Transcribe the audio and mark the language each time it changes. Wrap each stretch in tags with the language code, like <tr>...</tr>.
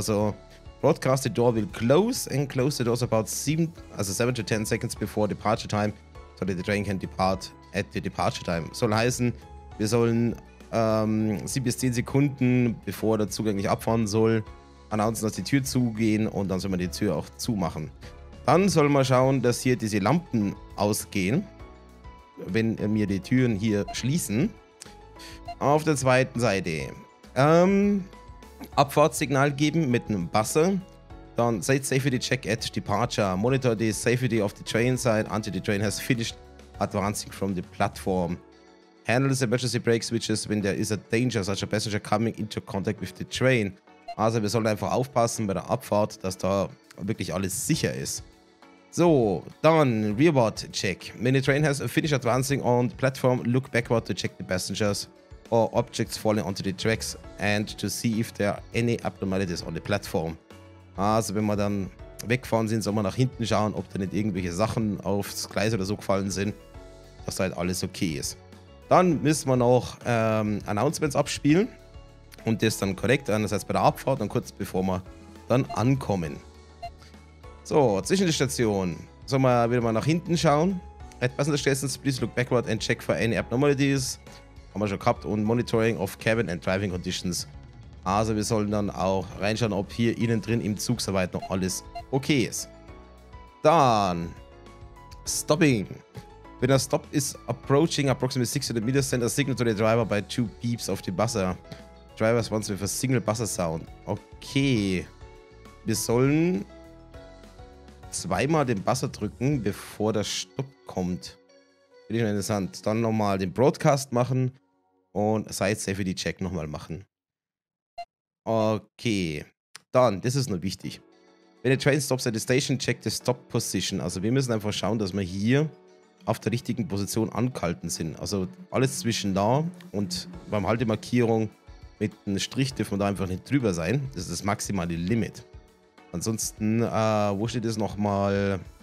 <en>Also Broadcast the Door will close and close the doors about 7 to 10 seconds before departure time. So that the train can depart at the departure time.</en> <de>Soll heißen, wir sollen 7 bis 10 Sekunden, bevor der Zug eigentlich abfahren soll, announcen, dass die Tür zugehen und dann soll man die Tür auch zumachen. Dann soll man schauen, dass hier diese Lampen ausgehen, wenn wir die Türen hier schließen. Auf der zweiten Seite. Abfahrtssignal geben mit einem Buzzer.</de> <en>Dann set safety check at departure. Monitor the safety of the train side until the train has finished advancing from the platform. Handle the emergency brake switches when there is a danger, such a passenger coming into contact with the train.</en> <de>Also wir sollen einfach aufpassen bei der Abfahrt, dass da wirklich alles sicher ist. So, dann</de> <en>rearward check. When the train has finished advancing on the platform, look backward to check the passengers or objects falling onto the tracks and to see if there are any abnormalities on the platform.</en> <de>Also wenn wir dann wegfahren sind, soll man nach hinten schauen, ob da nicht irgendwelche Sachen aufs Gleis oder so gefallen sind, dass da halt alles okay ist. Dann müssen wir noch Announcements abspielen und das dann korrekt, einerseits bei der Abfahrt und kurz bevor wir dann ankommen. So, zwischen der Station sollen wir wieder mal nach hinten schauen.</de> <en>At passenger stations, please look backward and check for any abnormalities.</en> <de>Haben wir schon gehabt und</de> <en>Monitoring of cabin and driving conditions.</en> <de>Also wir sollen dann auch reinschauen, ob hier innen drin im Zug soweit noch alles okay ist. Dann, Stopping.</de> <en>When a stop is approaching approximately 600 meters, send a signal to the driver by 2 beeps of the buzzer. Driver wants with a single buzzer sound. Okay.</en> <de>Wir sollen zweimal den Buzzer drücken, bevor der Stopp kommt. Finde ich interessant. Dann nochmal den Broadcast machen und Side Safety Check nochmal machen. Okay. Dann, das ist nur wichtig.</de> <en>When a train stops at the station, check the stop position.</en> <de>Also wir müssen einfach schauen, dass wir hier auf der richtigen Position angehalten sind. Also alles zwischen da und beim Haltemarkierung mit einem Strich dürfen wir da einfach nicht drüber sein. Das ist das maximale Limit. Ansonsten, wo steht es nochmal?</de>